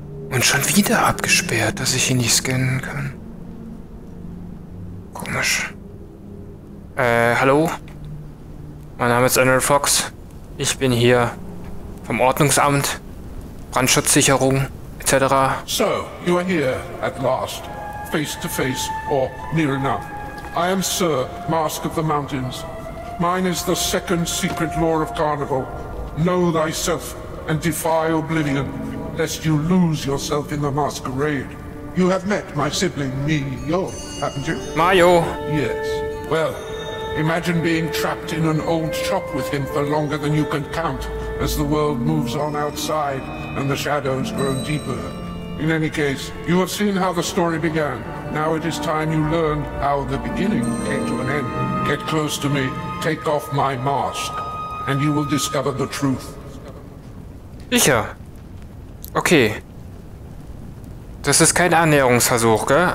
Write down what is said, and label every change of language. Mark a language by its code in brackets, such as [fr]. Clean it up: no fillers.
[de] Und schon wieder abgesperrt, dass ich ihn nicht scannen kann. Komisch. Hallo? Mein Name ist Arnold Fox. Ich bin hier vom Ordnungsamt, Brandschutzsicherung, etc. [en] So, you are here at last. Face to face, or near enough. I am Sir Mask of the Mountains. Mine is the second secret law of Carnival. Know thyself and defy oblivion, lest you lose yourself in the masquerade. You have met my sibling, Mio, haven't you? Mio! Yes. Well, imagine being trapped in an old shop with him for longer than you can count as the world moves on outside and the shadows grow deeper. In any case, you have seen how the story began. Now it is time you learned how the beginning came to an end. Get close to me, take off my mask, and you will discover the truth. [de] Ich ja. Okay. Das ist kein Annäherungsversuch, gell?